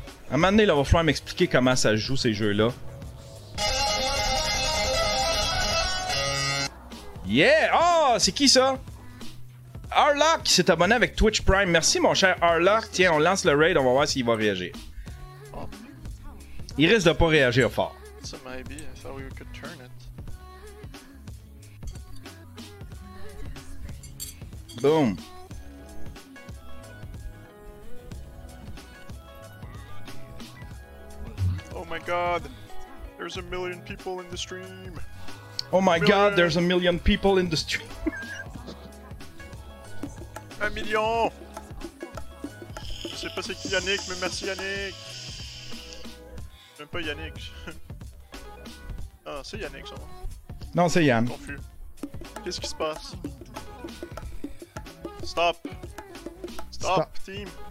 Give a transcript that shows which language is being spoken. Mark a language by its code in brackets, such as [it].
[fr] À un moment donné, là, il va falloir m'expliquer comment ça joue, ces jeux-là. Yeah! Ah, oh, c'est qui, ça? Arlock s'est abonné avec Twitch Prime. Merci, mon cher Arlock. Tiens, on lance le raid. On va voir s'il va réagir. Il risque de pas réagir fort. [en] So maybe, I thought we could turn it. Boom. Oh my god, there's a million people in the stream. Oh my god, there's a million people in the stream. [fr] Un million. Je sais pas c'est qui Yannick, mais merci Yannick. Pas Yannick. Ah, c'est Yannick, ça. Non, c'est Yann. Confus. Qu'est-ce qui se passe? Stop. Stop. Stop, team.